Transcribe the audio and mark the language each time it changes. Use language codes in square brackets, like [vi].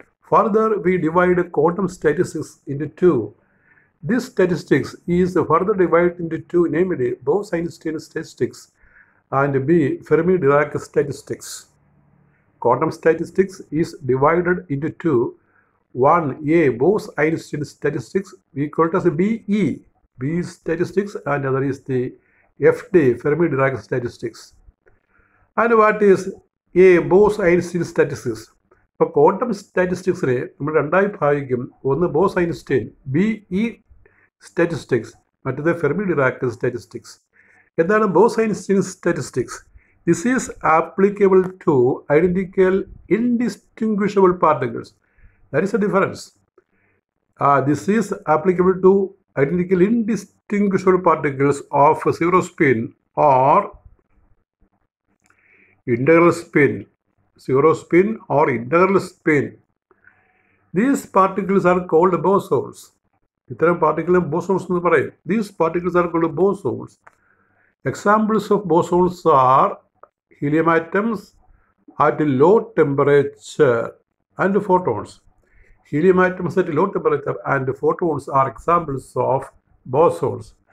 [en] Further we divide quantum statistics into two. This statistics is further divided into two, namely Bose-Einstein statistics and B. Fermi-Dirac statistics. Quantum statistics is divided into two. One, A. Bose-Einstein statistics, we call it as BE, B statistics, and other is the FD, Fermi-Dirac statistics. And what is A. Bose-Einstein statistics? For quantum statistics, one Bose-Einstein, BE statistics, but the Fermi-Dirac statistics. And then Bose-Einstein statistics. This is applicable to identical indistinguishable particles. That is a difference. This is applicable to identical indistinguishable particles of zero spin or integral spin. Zero spin or integral spin. These particles are called bosons. [ml] ഇത്തരം പാർട്ടിക്കിളും ബോസോൾസ് എന്ന് പറയും. [en] These particles are called bosons. Examples of bosons are helium atoms at low temperature and photons. Helium atoms at low temperature and photons are examples of bosons.